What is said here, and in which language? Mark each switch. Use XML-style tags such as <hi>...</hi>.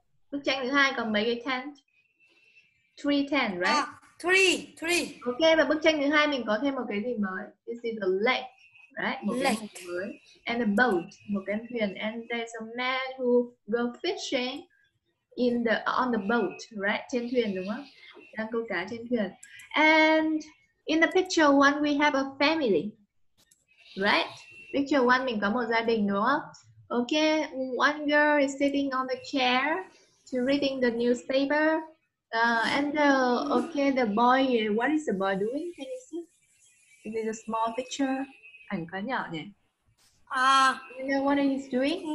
<vi>Bức tranh thứ hai còn mấy cái tent?</vi> <en>Three tent, right? Three.</en> <vi>Okay, và bức tranh thứ hai mình có thêm một cái gì mới?</vi> <en>This is a lake, right? Một lake.</en> <vi>Cái mới.</vi> <en>And a boat,</en> <vi>một cái thuyền.</vi> <en>And there's a man who go fishing in the on the boat, right?</en> <vi>Trên thuyền đúng không? Đang câu cá trên thuyền.</vi> <en>And in the picture one, we have a family, right?</en> <vi>Picture one mình có một gia đình đúng không?</vi> <en>Okay, one girl is sitting on the chair to reading the newspaper. The boy, what is the boy doing? Can you see? Is it a small picture?</en> <vi>Ảnh quá nhỏ nhỉ?</vi> <en>You know what he's doing?</en>